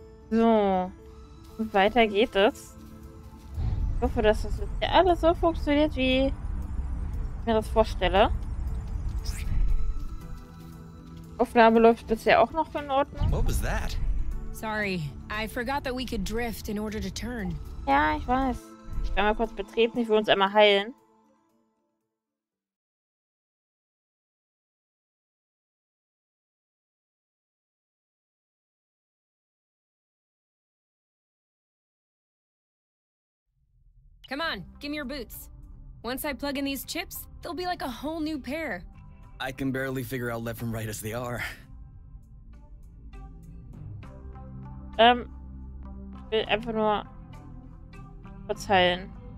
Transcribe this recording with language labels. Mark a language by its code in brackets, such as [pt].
[de] So. Und weiter geht es. Ich hoffe, dass das jetzt alles so funktioniert, wie ich mir das vorstelle. Aufnahme läuft bisher auch noch in Ordnung. [en] What was that? Sorry, I forgot that we could drift in order to turn. [de] Ja, ich weiß. Ich werde mal kurz betreten, ich will uns einmal heilen. [en] Come on, give me your boots. Once I plug in these chips, they'll be like a whole new pair. I can barely figure out left from right as they are. [de] Ich will einfach nur kurz heilen.